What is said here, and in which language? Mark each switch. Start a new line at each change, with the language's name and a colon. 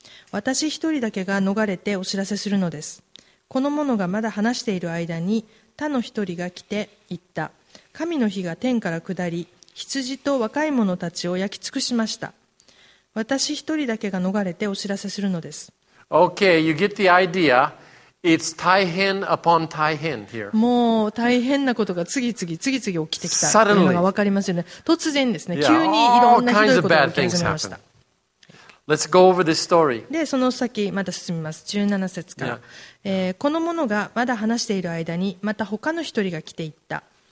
Japanese: 私一人だけが逃れてお知らせするのです。この者がまだ話している間に他の一人が来て言った。神の火が天から下り羊と若い者たちを焼き尽くしました。私一人だけが逃れてお知らせするのです。
English: Okay, you get the idea. It's 大変 upon 大変 here.
Japanese: もう大変なことが次々起きてきたというのが分かりますよね。突然ですね、急にいろんなひどいことが起き始めました。 Let's go over this story. でその先まだ進みます。17節から、yeah. この者がまだ話している間にまた他の一人が来ていった。